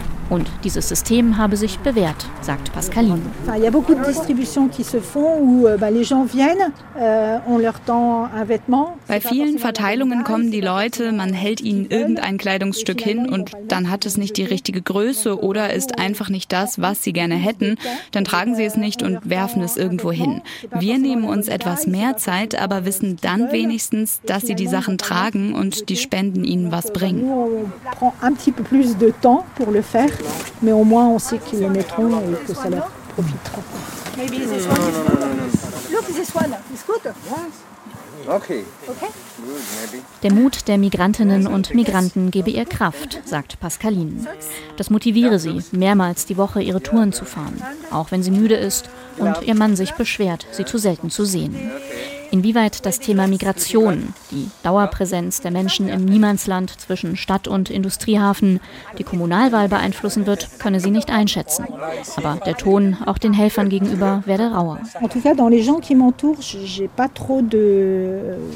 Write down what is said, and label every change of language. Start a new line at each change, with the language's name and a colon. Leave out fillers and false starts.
German: Und dieses System habe sich bewährt, sagt Pascaline.
French: Il y a beaucoup de distributions qui se font où les gens viennent, on leur tend un vêtement.
German: Bei vielen Verteilungen kommen die Leute, man hält ihnen irgendein Kleidungsstück hin und dann hat es nicht die richtige Größe oder ist einfach nicht das, was sie gerne hätten, dann tragen sie es nicht und werfen es irgendwo hin. Wir nehmen uns etwas mehr Zeit, aber wissen dann wenigstens, dass sie die Sachen tragen und die Spenden ihnen was bringen.
French: Prend un petit peu plus de temps pour le faire, mais au moins on sait qu'ils le mettront et que ça leur profitera.
English: Maybe this one. Look, this one. It's good. Okay. Okay.
German: Der Mut der Migrantinnen und Migranten gebe ihr Kraft, sagt Pascaline. Das motiviere sie, mehrmals die Woche ihre Touren zu fahren, auch wenn sie müde ist und ihr Mann sich beschwert, sie zu selten zu sehen. Inwieweit das Thema Migration, die Dauerpräsenz der Menschen im Niemandsland zwischen Stadt- und Industriehafen, die Kommunalwahl beeinflussen wird, könne sie nicht einschätzen. Aber der Ton auch den Helfern gegenüber werde rauer.
French: En tout cas, dans les gens qui m'entourent, j'ai pas trop de